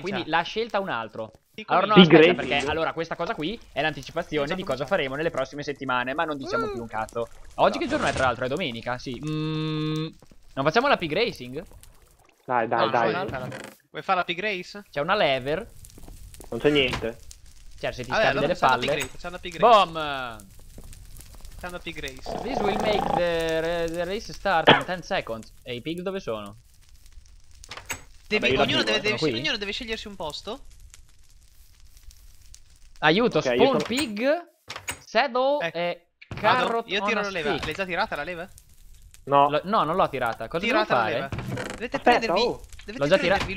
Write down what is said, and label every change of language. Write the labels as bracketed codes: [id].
[it] Quindi, la scelta un altro. Allora, no, aspetta, perché allora questa cosa qui è l'anticipazione di cosa faremo nelle prossime settimane. Ma non diciamo più un cazzo. Oggi, che giorno è, tra l'altro? È domenica. Sì, non facciamo la pig racing? Dai. Vuoi fare la pig race? C'è una lever. Non c'è niente. Cioè, se ti scavi delle palle. C'è una pig race. Bom. Stanno a pig race. [en] This will make the race start in 10 seconds. [it] E i pig dove sono? Ognuno deve scegliersi un posto. Aiuto, okay, spawn pig, saddle e carrot. Io tiro la leva. L'hai già tirata la leva? No. Non l'ho tirata. Cosa tirata devo fare? Dovete prendervi.